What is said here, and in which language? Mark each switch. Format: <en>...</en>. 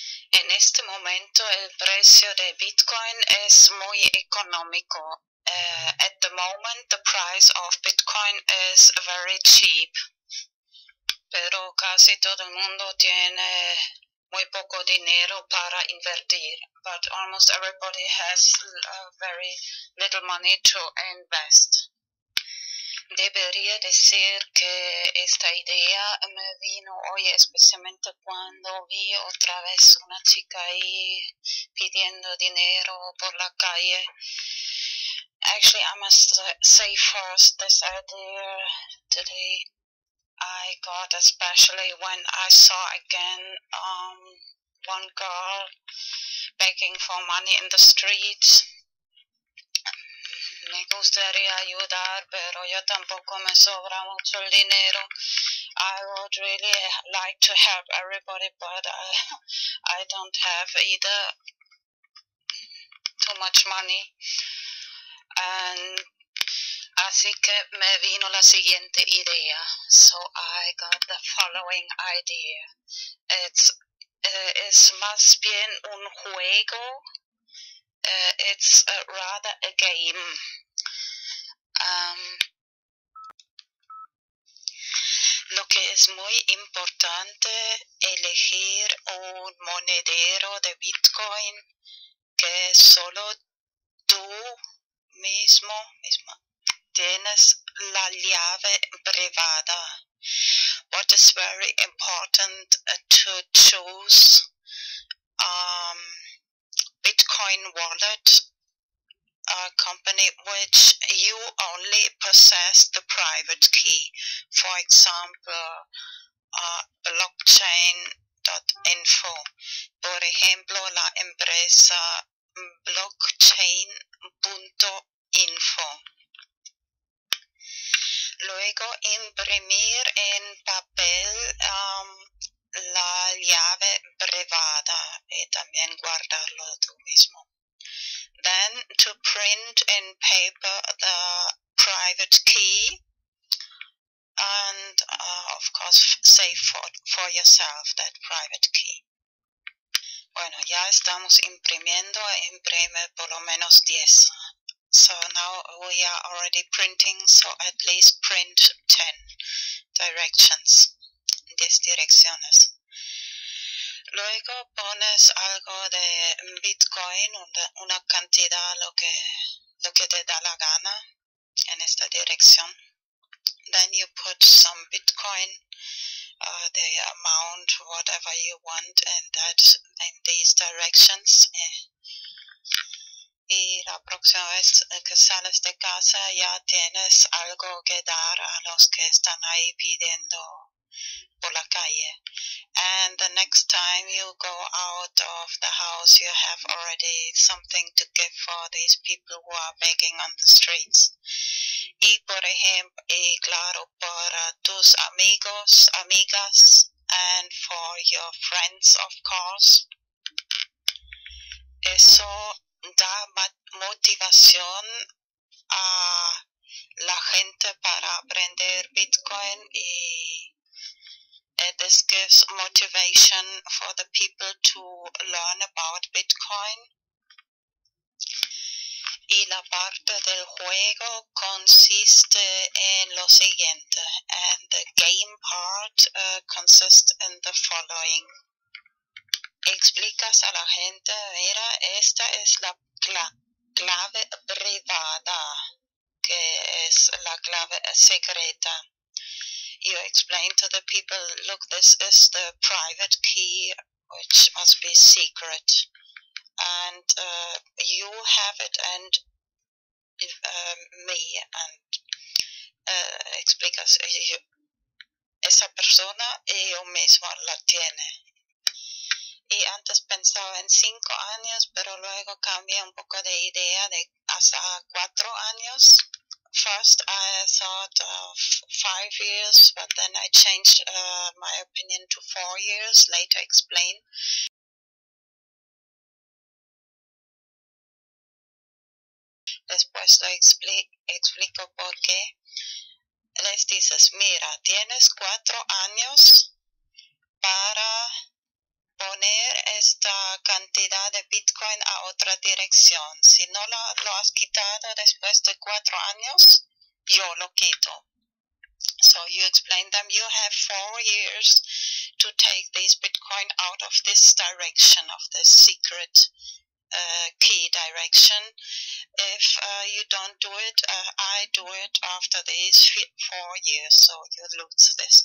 <es>En este momento el precio de Bitcoin es muy económico.</es> <en>At the moment the price of Bitcoin is very cheap.</en> <es>Pero casi todo el mundo tiene muy poco dinero para invertir.</es> <en>But almost everybody has very little money to invest.</en> <es>Debería decir que esta idea me vino hoy especialmente cuando vi otra vez una chica ahí pidiendo dinero por la calle.</es> <en>Actually, I must say first this idea today I got especially when I saw again one girl begging for money in the streets.</en> <es>Me gustaría ayudar, pero yo tampoco me sobra mucho el dinero.</es> <en>I would really like to help everybody, but I don't have either too much money.</en> <es>And así que me vino la siguiente idea.</es> <en>So I got the following idea. It's</en> <es>más bien un juego.</es> <en>It's rather a game.</en> <es>Lo que es muy importante elegir un monedero de Bitcoin que solo tú mismo tienes la llave privada.</es> <en>What is very important to choose Bitcoin wallet, a company which you only possess the private key, for example, blockchain.info.</en> <es>Por ejemplo, la empresa blockchain.info. Luego, imprimir en papel la llave privada y también guardarlo tú mismo.</es> <en>Then to print in paper the private key and of course save for yourself that private key.</en> <es>Bueno, ya estamos imprimiendo, imprime por lo menos 10.</es> <en>So now we are already printing, so at least print 10 directions,</en> <es>10 direcciones. Luego pones algo de Bitcoin, una cantidad, lo que te da la gana en esta dirección.</es> <en>Then you put some Bitcoin, the amount, whatever you want, and that in these directions.</en> <es>Y la próxima vez que sales de casa ya tienes algo que dar a los que están ahí pidiendo por la calle.</es> <en>And the next time you go out of the house, you have already something to give for these people who are begging on the streets.</en> <es>Y por ejemplo, y claro, para tus amigos, amigas,</es> <en>and for your friends, of course.</en> <es>Eso da motivación a gente para aprender Bitcoin y</es> <en>this gives motivation for the people to learn about Bitcoin.</en> <es>Y la parte del juego consiste en lo siguiente.</es> <en>And the game part consists in the following.</en> <es>Explicas a la gente, mira, esta es la clave privada, que es la clave secreta.</es> <en>You explain to the people, look, this is the private key, which must be secret. And you have it and me.</en> <es>And explicas, yo, esa persona y yo mismo la tiene. Y antes pensaba en 5 años, pero luego cambié un poco de idea de hasta 4 años.</es> <en>First, I thought of 5 years, but then I changed my opinion to 4 years. Later, explain.</en> <es>Después lo explico por qué. Les dices, mira, tienes 4 años para poner esta cantidad de Bitcoin a otra dirección. Si no lo has quitado después de 4 años, yo lo quito.</es> <en>So you explain them, you have 4 years to take this Bitcoin out of this direction, of this secret key direction. If you don't do it, I do it after these 4 years, so you lose this.</en>